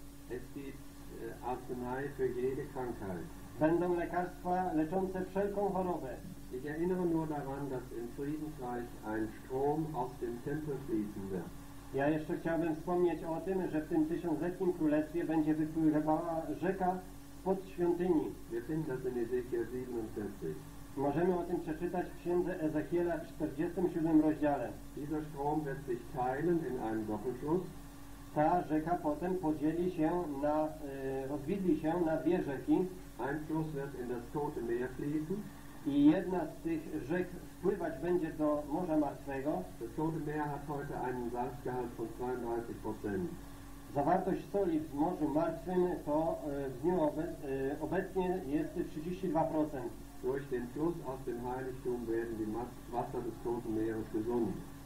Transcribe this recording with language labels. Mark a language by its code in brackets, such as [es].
[de] Es gibt Arznei für jede Krankheit. [pl] Będą lekarstwa leczące wszelką chorobę. [de] Ich erinnere nur daran, dass im Friedensreich ein Strom aus dem Tempel fließen wird. [pl] Ja jeszcze chciałbym wspomnieć o tym, że w tym tysiącletnim królestwie będzie wypływała rzeka pod świątyni. [de] Wir finden das in Ezekiel 47. [pl] Możemy o tym przeczytać w księdze Ezechiela w 47 rozdziale. [de] Dieser Strom wird sich teilen in einem Doppelfluss. [pl] Ta rzeka potem podzieli się na, rozwidli się na dwie rzeki. [de] Ein Fluss wird in das Tote Meer fließen. [pl] I jedna z tych rzek wpływać będzie do Morza Martwego. [de] Das Tote Meer hat heute einen Salzgehalt von 32%. [pl] Zawartość soli w Morzu Martwym to w dniu obecnie jest 32%. [de] Durch den Fluss aus dem Heiligtum werden die Wasser des Toten Meeres gesund.